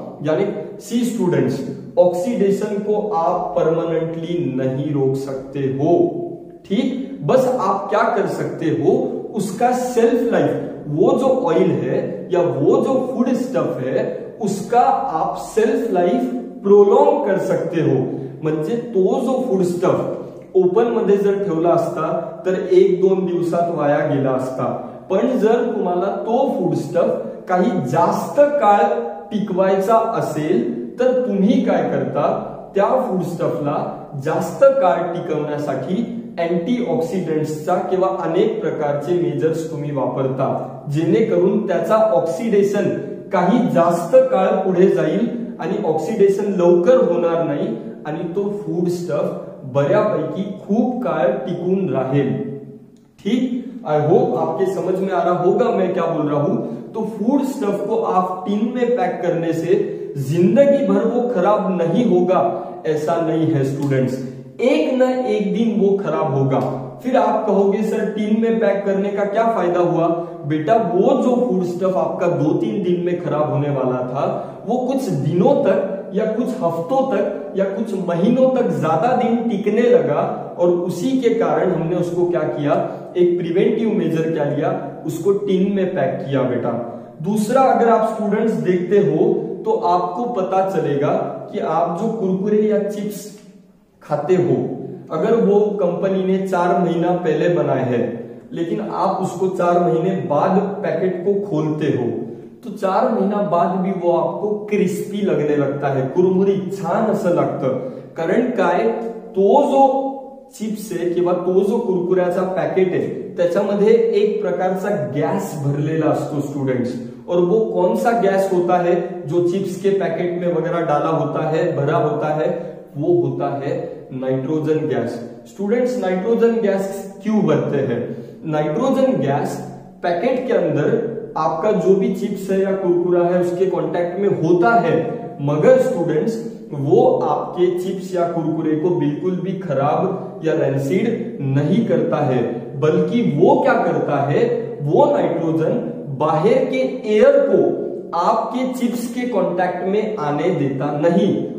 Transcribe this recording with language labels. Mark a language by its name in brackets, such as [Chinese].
[Hindi] यानी सी students, oxidation को आप परमानेंटली नहीं रोक सकते हो। ठीक, बस आप क्या कर सकते हो, उसका सेल्फ लाइफ, वो जो ऑयल है या वो जो फूड स्टफ है उसका आप सेल्फ लाइफ प्रोलोंग कर सकते हो। [Marathi] म्हणजे तो जो फूड स्टफ ओपन मध्ये जर ठेवला असता तर एक दोन दिवसात वाया गेला असता, पण जर तुम्हाला तो फूड स्टफ काही जास्त काळ टिकवायचा असेल तर तुम्ही काय करता, त्या फूड स्टफला जास्त काळ टिकवण्यासाठी अँटीऑक्सिडंट्सचा किंवा अनेक प्रकारचे मेजर्स तुम्ही वापरता, जेणेकरून त्याचा ऑक्सिडेशन काही जास्त काळ पुढे जाईल आणि ऑक्सिडेशन लवकर होणार नाही आणि तो फूड स्टफ बऱ्यापैकी खूप काळ टिकून राहील। [Hindi] ठीक, [English] I hope [Hindi] आपके समझ में आ रहा होगा मैं क्या बोल रहा हूं। तो फूड स्टफ को आप टिन में पैक करने से जिंदगी भर वो खराब नहीं होगा, ऐसा नहीं है स्टूडेंट्स, एक न एक दिन वो खराब होगा। फिर आप कहोगे सर टिन में पैक करने का क्या फायदा हुआ? बेटा वो जो फूड स्टफ आपका दो तीन दिन में खराब होने वाला था, वो कुछ दिनों तक या कुछ हफ्तों तक या कुछ महीनों तक ज्यादा दिन टिकने लगा, और उसी के कारण हमने उसको क्या किया, एक प्रिवेंटिव मेजर क्या लिया, उसको टिन में पैक किया बेटा। दूसरा, अगर आप स्टूडेंट्स देखते हो तो आपको पता चलेगा कि आप जो कुरकुरे या चिप्स खाते हो, अगर वो कंपनी ने 4 महीना पहले बनाए हैं, लेकिन आप उसको 4 महीने बाद पैकेट को खोलते हो, तो 4 महीना बाद भी वो आपको क्रिस्पी लगने लगता है, [Marathi] कुरमुरी छान असं लगतं। कारण काय, तो जो चिप्स है किंवा तो जो कुरकुऱ्याचा पैकेट है, त्याच्यामध्ये एक प्रकारचा गैस भरलेला असतो स्टूडेंट्स। [Hindi] और वो कौन सा गैस होता है जो चिप्स के पैकेट में वगैरह डाला होता है, भरा होता है? वो होता है nitrogen gas. Students, nitrogen gas क्यों भरते हैं? नाइट्रोजन गैस पैकेट के अंदर आपका जो भी चिप्स है या कुरकुरा है उसके कांटेक्ट में होता है, मगर स्टूडेंट्स वो आपके चिप्स या कुरकुरे को बिल्कुल भी खराब या रैंसिड नहीं करता है, बल्कि वो क्या करता है, वो नाइट्रोजन बाहर के एयर को आपके चिप्स के कांटेक्ट में आने देता नहीं।